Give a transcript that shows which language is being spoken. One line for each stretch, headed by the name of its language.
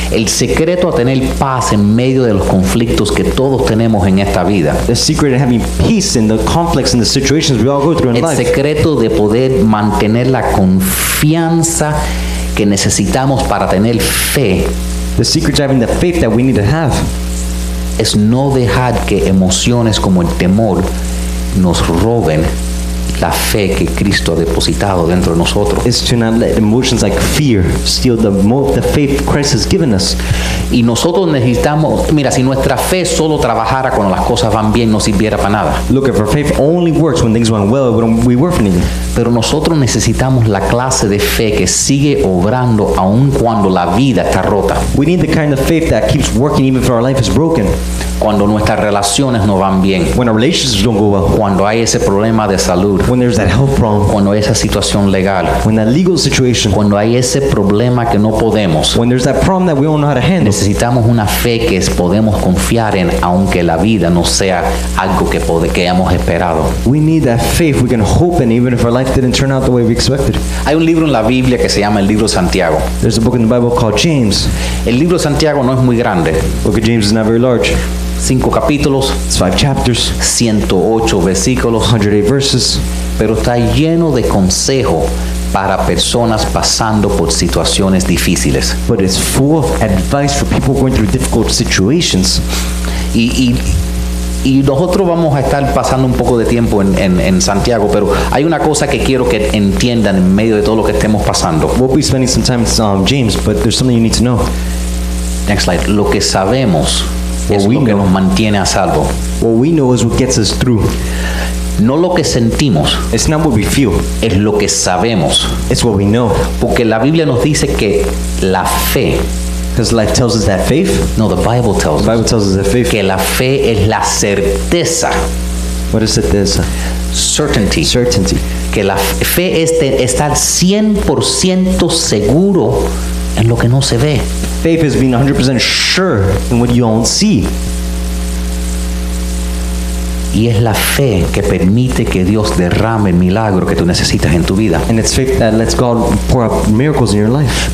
Spanish: El secreto a tener paz en medio de los conflictos que todos tenemos en esta vida.
English: The secret of having peace in the conflicts and the situations we all go through in life.
Spanish: El secreto de poder mantener la confianza que necesitamos para tener fe.
English: The secret of having the faith that we need to have.
Spanish: Es no dejar que emociones como el temor nos roben la fe que Cristo ha depositado dentro de nosotros.
English: Is to not let emotions like fear steal the faith Christ has given us.
Spanish: Y nosotros necesitamos, mira, si nuestra fe solo trabajara cuando las cosas van bien, no sirviera para nada.
English: Look, if our faith only works when things went well, we work anything.
Spanish: Pero nosotros necesitamos la clase de fe que sigue obrando aun cuando la vida está rota.
English: We need the kind of faith that keeps working even if our life is broken.
Spanish: Cuando nuestras relaciones no van bien.
English: When our relationships don't go well.
Spanish: Cuando hay ese problema de salud.
English: When there's that health problem.
Spanish: Cuando esa situación legal.
English: When that legal situation.
Spanish: Cuando hay ese problema que no podemos.
English: When there's that problem that we don't know how to handle.
Spanish: Necesitamos una fe que podemos confiar en aunque la vida no sea algo que hayamos esperado.
English: We need that faith we can hope in even if our life didn't turn out the way we expected.
Spanish: Hay un libro en la Biblia que se llama el libro Santiago.
English: There's a book in the Bible called James.
Spanish: El libro Santiago no es muy grande.
English: Book of James is not very large.
Spanish: 5 capítulos,
English: 5 chapters,
Spanish: 108 versículos,
English: 108 verses,
Spanish: pero está lleno de consejo para personas pasando por situaciones difíciles.
English: But it's full of advice for people going through difficult situations.
Spanish: Y nosotros vamos a estar pasando un poco de tiempo en Santiago, pero hay una cosa que quiero que entiendan en medio de todo lo que estemos pasando.
English: We'll be spending some time with James, but there's something you need to know. Next slide.
Spanish: Lo que sabemos es lo que nos mantiene a salvo.
English: What we know is what gets us through.
Spanish: No lo que sentimos.
English: It's not what we feel.
Spanish: Es lo que sabemos.
English: It's what we know.
Spanish: Porque la Biblia nos dice que la fe...
English: Because life tells us that faith. No, the Bible tells us. The Bible tells us that faith.
Spanish: Que la fe es la certeza.
English: What is certeza? Certainty. Certainty.
Spanish: Que la fe es estar 100% seguro en lo que no se ve.
English: Faith is being 100% sure in what you don't see.
Spanish: Y es la fe que permite que Dios derrame el milagro que tú necesitas en tu vida.
English: And it's faith that lets God pour out miracles in your life.